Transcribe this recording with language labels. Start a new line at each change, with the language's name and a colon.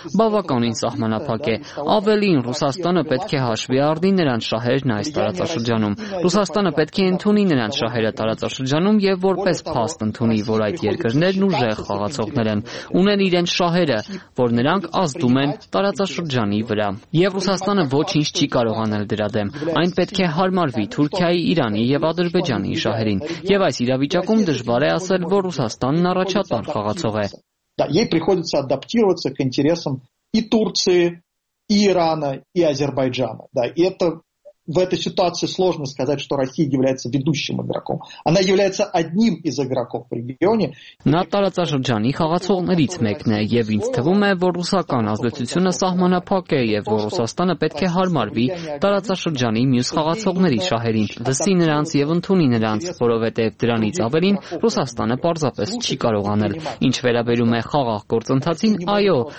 Armenian: բավականին սահմանափակ է։ Ավելին, Ռուսաստանը պետք է հաշվի առնի նրանց շահերն այս տարածաշրջանում։ Ռուսաստանը պետք է ընդունի նրանց շահերը տարածաշրջանում եւ որպես փաստ ընդունի, որ այդ երկրներն ուժեղ խաղացողներ են, ունեն իրենց շահերը, որ նրանք ազդում են տարածաշրջանի վրա։ Եվ Ռուսաստանը ոչինչ չի կարողանալ դրա դեմ։ Այն պետք է հարմարվի Թուրքիայի, Իրանի եւ Ադրբեջանի շահերին։ Եվ այս իրավիճակում դժվար է ասել, որ Ռուսաստանն առաջատար խաղացող է։
Russian: Да, ей приходится адаптироваться к интересам и Турции, и Ирана, и Азербайджана. Да, и это в этой ситуации сложно сказать, что Россия является ведущим игроком. Она является одним из игроков в регионе. На
Armenian: տարածաշրջանի խաղացողներից մեկն է, եւ ինձ թվում է, որ ռուսական ազդեցությունը սահմանափակ է եւ որ Ռուսաստանը պետք է հարմարվի տարածաշրջանի մյուս խաղացողների շահերին, լսի նրանց եւ ընդունի նրանց, որովհետեւ դրանից ավելին Ռուսաստանը պարզապես չի կարողանալ։ Ինչ վերաբերում է խաղաղ գործընթացին, այո,